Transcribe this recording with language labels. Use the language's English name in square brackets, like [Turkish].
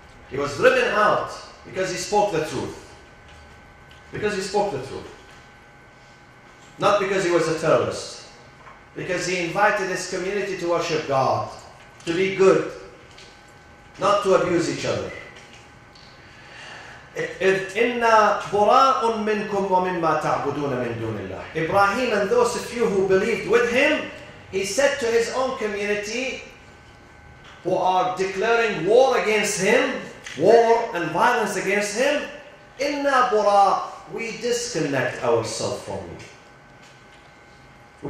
[English] He was driven out because he spoke the truth. Because he spoke the truth. Not because he was a terrorist. Because he invited his community to worship God, to be good, not to abuse each other. [Arabic] إذ إنا براء منكم ومما تعبدون من دون الله. [English] Ibrahim and those of you who believed with him, he said to his own community who are declaring war against him, war and violence against him, [Arabic] إنا براء. [English] We disconnect ourselves from you.